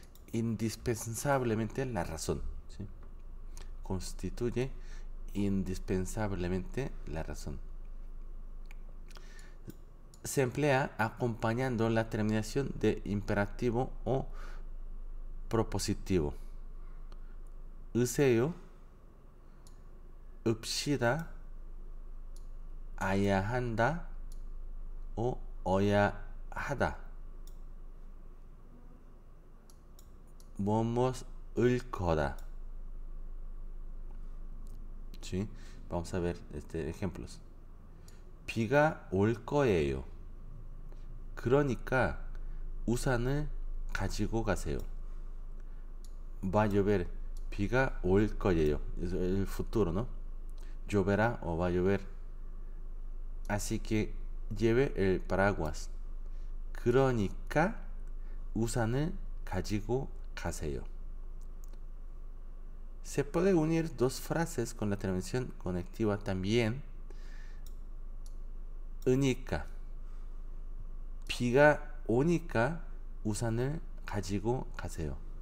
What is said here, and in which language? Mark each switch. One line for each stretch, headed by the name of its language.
Spanish: Indispensablemente la razón, ¿sí? Constituye indispensablemente la razón. Se emplea acompañando la terminación de imperativo o propositivo.
Korean: 으세요, 읍시다, 아야 한다 o 어야 하다. 뭐뭐 을 거다.
Spanish: ¿Sí? Vamos a ver ejemplos.
Korean: 비가 올 거예요. 그러니까 우산을 가지고 가세요.
Spanish: Va a llover,
Korean: 비가 올 거예요.
Spanish: Es el futuro, ¿no? Lloverá o va a llover. Así que lleve el paraguas.
Korean: 그러니까 우산을 가지고 가세요.
Spanish: Se puede unir dos frases con la terminación conectiva también.
Korean: 으니까. 비가 오니까 우산을 가지고 가세요.